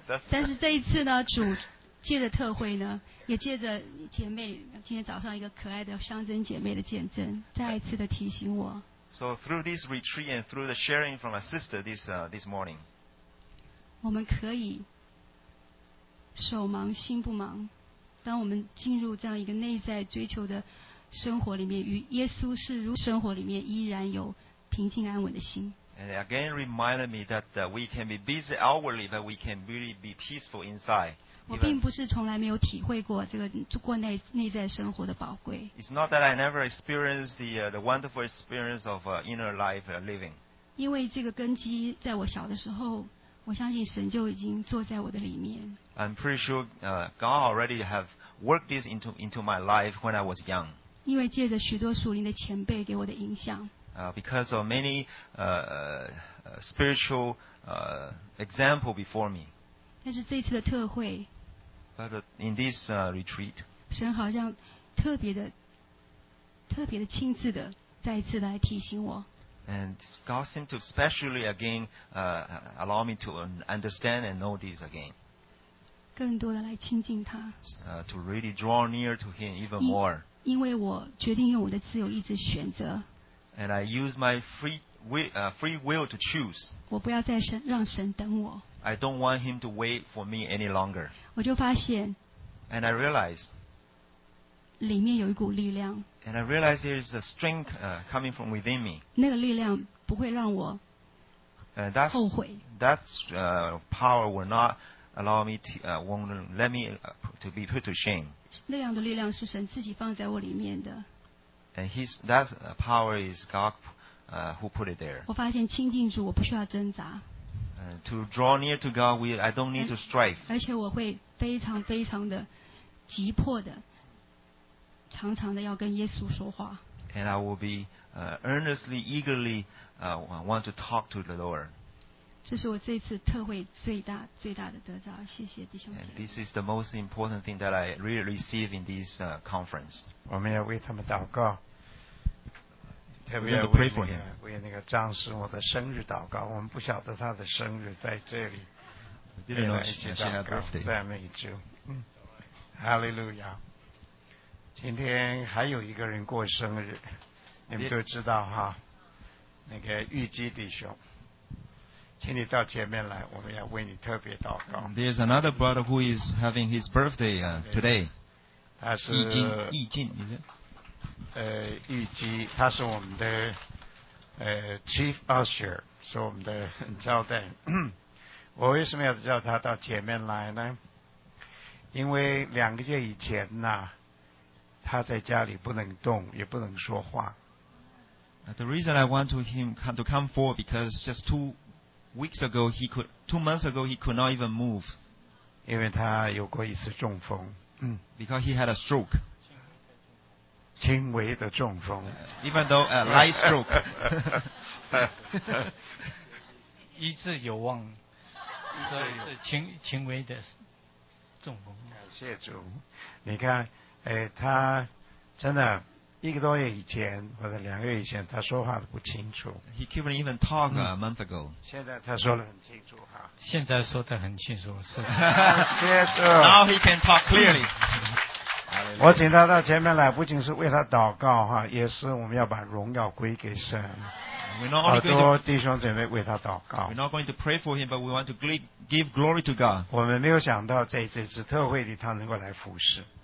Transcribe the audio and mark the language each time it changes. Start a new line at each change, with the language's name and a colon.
Chinese: 但是这一次呢，主借着特会呢，也借着姐妹今天早上一个可爱的香珍姐妹的见证，再一次的提醒我。
English: So through this retreat and through the sharing from a sister this morning.
Chinese: 我们可以手忙心不忙，当我们进入这样一个内在追求的生活里面，与耶稣是如生活里面依然有平静安稳的心。
English: And again reminded me that we can be busy outwardly, but we can really be peaceful inside.
Chinese: 我并不是从来没有体会过这个过内在生活的宝贵。
English: It's not that I never experienced the wonderful experience of inner life living.
Chinese: 因为这个根基在我小的时候，我相信神就已经坐在我的里面。
English: I'm pretty sure God already have worked this into my life when I was young.
Chinese: 因为借着许多属灵的前辈给我的影响。
English: Because of many spiritual example before me.
Chinese: 但是这次的特会。
English: But in this retreat.
Chinese: 神好像特别的亲自的再一次来提醒我。
English: And God seemed to specially again allow me to understand and know this again.
Chinese: 更多的来亲近他。
English: To really draw near to Him even more.
Chinese: 因为我决定用我的自由意志选择。
English: And I use my free will to choose.
Chinese: 我不要再让神等我。
English: I don't want Him to wait for me any longer.
Chinese: 我就发现。
English: And I realized.
Chinese: 里面有一股力量。
English: And I realize there is a strength coming from within me.
Chinese: 那个力量不会让我后悔。
English: Power will not allow me to won't let me to be put to shame.
Chinese: 那样的力量是神自己放在我里面的。
English: And that power is God who put it there.
Chinese: 我发现亲近主，我不需要挣扎。
English: To draw near to God, I don't need to strive.
Chinese: 而且我会非常非常的急迫的。常常的要跟耶稣说话。
English: And I will be earnestly, eagerly want to talk to the Lord.
Chinese: 这是我这次特会最大最大的得着，谢谢弟兄姐妹。
English: And this is the most important thing that I really receive in this conference.
Chinese: 我们要为他们祷告。特别为那个张师母的生日祷告，我们不晓得他的生日在这里。赞美主。Hallelujah. 今天还有一个人过生日，你们都知道哈，那个玉基弟兄，请你到前面来，我们要为你特别祷告。
English: There's another brother who is having his birthday today.
Chinese: 他是易静，你是？玉基，他是我们的Chief Usher， 是我们的招待。我为什么要叫他到前面来呢？因为两个月以前呐。他在家里不能动，也不能说话。
English: The reason I want him to come forward because just two months ago he could not even move.
Chinese: 因为他有过一次中风。
English: Because he had a stroke.
Chinese: 轻微的中风。
English: Even though a light stroke.
Chinese: 医治有望，所以是轻微的中风。感谢主，你看，他真的一个多月以前或者两个月以前，他说话都不清楚。
English: He couldn't even talk a month ago。
Chinese: 现在他说得很清楚哈。现在说得很清楚是。感谢主。
English: Now he can talk clearly。
Chinese: 我请他到前面来，不仅是为他祷告哈，也是我们要把荣耀归给神。好多弟兄姐妹为他祷告。
English: We're not going to pray for him, but we want to give glory to God.
Chinese: 我们没有想到在这次特会里他能够来服侍。